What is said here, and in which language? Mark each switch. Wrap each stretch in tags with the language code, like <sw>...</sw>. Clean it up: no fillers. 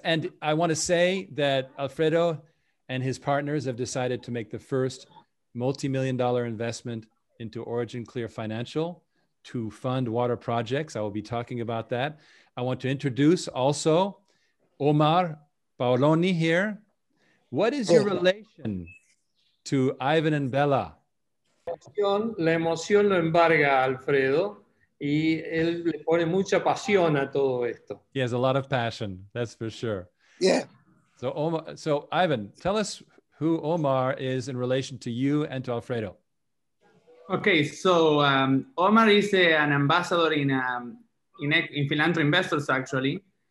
<en>And I want to say that Alfredo and his partners have decided to make the first multi-million-dollar investment into Origen Claire Financial to fund water projects. I will be talking about that. I want to introduce also Omar Paoloni here. What is your relation to Ivan and Bella?</en> <es>La emoción lo embarga a Alfredo y él le pone mucha pasión a todo esto.</es> <en>He has a lot of passion, that's for sure. Yeah. So, Omar, so Ivan, tell us who Omar is in relation to you and to Alfredo. Okay, so Omar is an ambassador in Philanthro Investors, actually.</en>